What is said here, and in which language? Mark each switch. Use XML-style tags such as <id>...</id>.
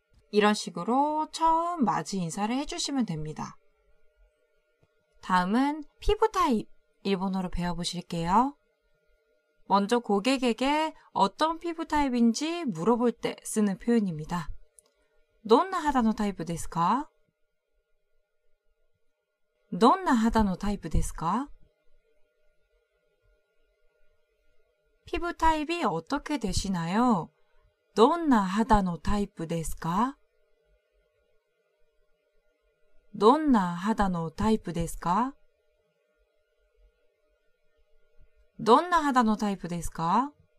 <ko>이런식으로처음맞이인사를해주시면됩니다다음은피부타입일본어로배워보실게요먼저고객에게어떤피부타입인지물어볼때쓰는표현입니다</ko> <ja>どんな肌のタイプですか? どんな肌のタイプですか?</ja> <ko>피부타입이어떻게되시나요?</ko> <ja>どんな肌のタイプですか? どんな肌のタイプですか? どんな肌のタイプですか?</ja>